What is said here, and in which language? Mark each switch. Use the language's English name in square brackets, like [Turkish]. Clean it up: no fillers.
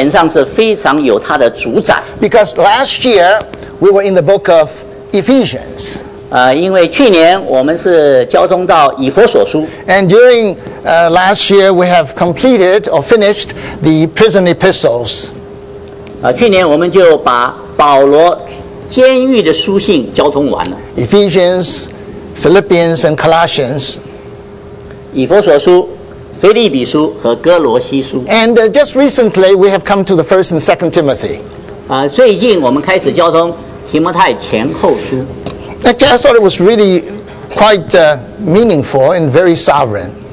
[Chinese] 我相信主在这一点上是非常有他的主宰。 [English] Because last year we were in the book of Ephesians. [Chinese] 因为去年我们是交通到以弗所书。 [English] And during last year we have completed or finished the prison epistles. [Chinese] 去年我们就把保罗 监狱的书信交通完了。 [English] Ephesians, Philippians, and Colossians. [Chinese] 以弗所书、腓立比书和哥罗西书。 [English] And just recently, we have come to the 1st and 2nd Timothy. [Chinese] 最近我们开始交通提摩太前后书。 [English] Actually, I thought it was really quite meaningful and very sovereign.